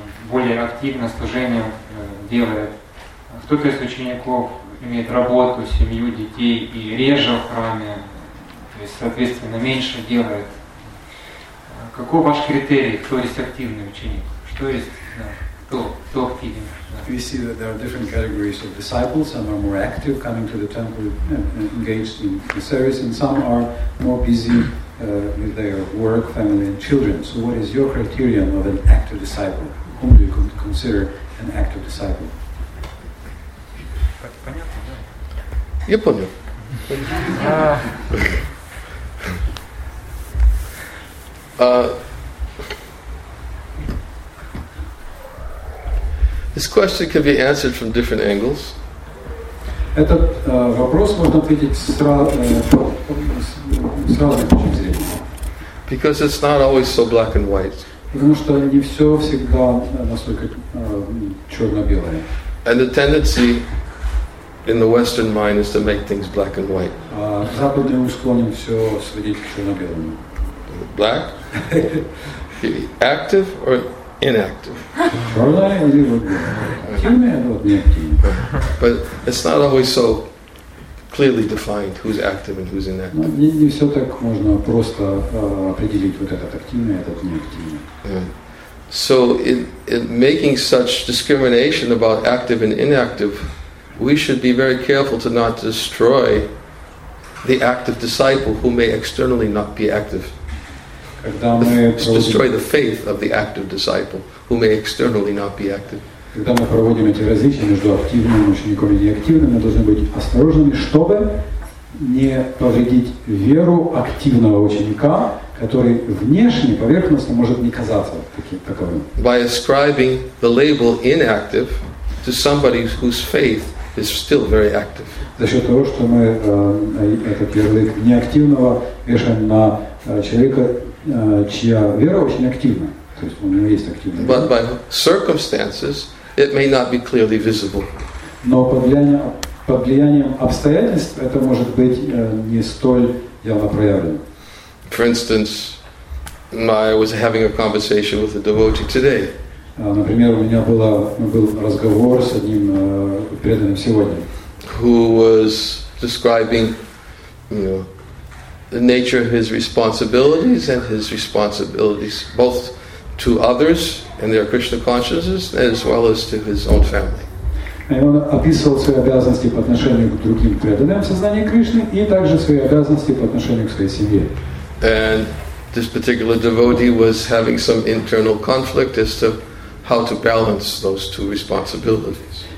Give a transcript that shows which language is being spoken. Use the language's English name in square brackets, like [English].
[Russian] более активно служение делает. Кто-то из учеников имеет работу, семью, детей и реже в храме, то есть, соответственно, меньше делает. Какой ваш критерий, кто есть активный ученик? Что есть, да, кто активен? [English] We see that there are different categories of disciples. Some are more active, coming to the temple, engaged in the service, and some are more busy with their work, family, and children. So what is your criterion of an active disciple? Whom do you consider an active disciple? [Russian] Я понял. [English] This question can be answered from different angles. [Russian] Этот вопрос можно ответить с разных зрения. [English] Because it's not always so black and white. [Russian] Потому что не все всегда настолько черно-белое. [English] And the tendency in the Western mind is to make things black and white. [Russian] Западный ум склонен все сводить к черно-белому. [English] Black? Active or inactive. But it's not always so clearly defined who's active and who's inactive. So in making such discrimination about active and inactive, we should be very careful to not destroy the active disciple who may externally not be active. Destroy the faith of the active disciple who may externally not be active. [Russian] Когда мы проводим эти различия между активным учеником и неактивным, мы должны быть осторожными, чтобы не повредить веру активного ученика, который внешне, поверхностно может не казаться таковым. [English] By ascribing the label inactive to somebody whose faith is still very active. [Russian] За счет того, что мы этот ярлык неактивного вешаем на человека, чья вера очень активна, то есть у него есть активная вера. [English] But by circumstances, it may not be clearly visible. [Russian] Но под влиянием обстоятельств это может быть не столь явно проявлено. [English] For instance, I was having a conversation with a devotee today. [Russian] Например, у меня был разговор с одним преданным сегодня. [English] Who was describing, the nature of his responsibilities and his responsibilities both to others and their Krishna consciousness as well as to his own family. [Russian] И он описывал свои обязанности по отношению к другим преданным в сознании Кришны и также свои обязанности по отношению к своей семье. [English] And this particular devotee was having some internal conflict as to how to balance those two responsibilities.